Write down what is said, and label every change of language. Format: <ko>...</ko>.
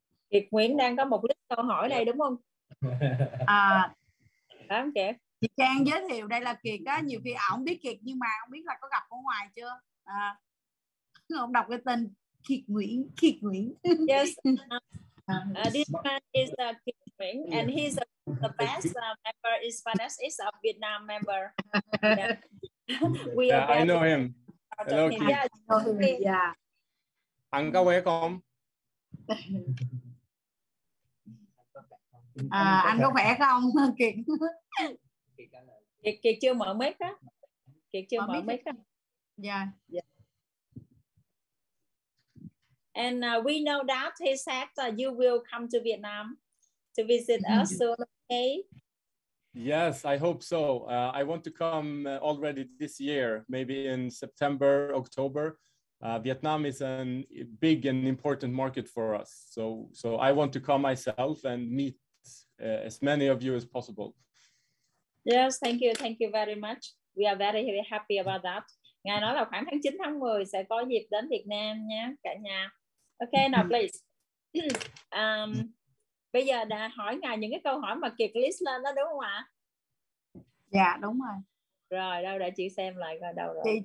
<vi>Kiệt Nguyễn đang có một list câu hỏi đây đúng không? Chị Trang giới thiệu đây là Kiệt á. Nhiều khi ổng biết Kiệt nhưng mà không biết là có gặp ở ngoài chưa. Ông đọc cái tên Kiệt Nguyễn.</vi> <en>Yes. This man is Kiệt Nguyễn and he's the best member is Vanessa, is a Vietnam member. Yeah. I know him. Hello, yeah, Kiệt. I know him. Yeah.</en> <vi>Anh có khỏe không? Anh có khỏe không, Kiệt? Kiệt chưa mở mic đó. Kiệt chưa mở mic đó.</vi> <en>Yeah. And we know that he said that you will come to Vietnam to visit us soon, okay? Yes, I hope so. I want to come already this year, maybe in September, October. Vietnam is a big and important market for us. So I want to come myself and meet as many of you as possible. Yes, thank you very much. We are very, very happy about that.</en> <vi>Ngài nói là khoảng tháng 9, tháng 10 sẽ có dịp đến Việt Nam nha, cả nhà.</vi> <en>Okay, now please.</en> <vi>Bây giờ đã hỏi ngài những cái câu hỏi mà Kiệt list lên đó đúng không ạ? Dạ, đúng rồi. Rồi, đâu để chị xem lại coi đâu rồi.</vi>